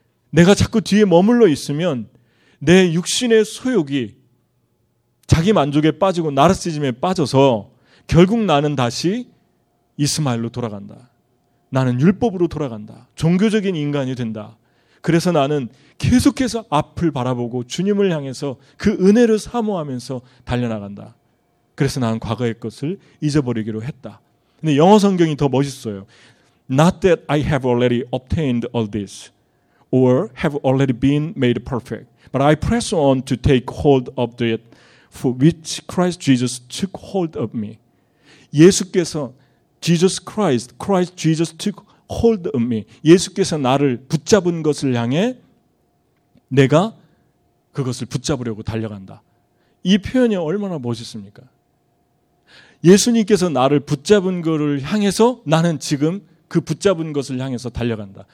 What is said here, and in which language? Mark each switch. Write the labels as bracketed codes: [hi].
[ko] 내가 자꾸 뒤에 머물러 있으면 내 육신의 소욕이 자기 만족에 빠지고 나르시즘에 빠져서 결국 나는 다시 이스마엘로 돌아간다. 나는 율법으로 돌아간다. 종교적인 인간이 된다. 그래서 나는 계속해서 앞을 바라보고 주님을 향해서 그 은혜를 사모하면서 달려나간다. 그래서 나는 과거의 것을 잊어버리기로 했다. 근데 영어 성경이 더 멋있어요. [en] Not that I have already obtained all this or have already been made perfect, but I press on to take hold of it for which Christ Jesus took hold of me. [ko] 예수께서 [en] Christ Jesus took hold of me. [ko] 예수께서 나를 붙잡은 것을 향해 내가 그것을 붙잡으려고 달려간다. 이 표현이 얼마나 멋있습니까? 예수님께서 나를 붙잡은 것을 향해서 나는 지금 그 붙잡은 것을 향해서 달려간다.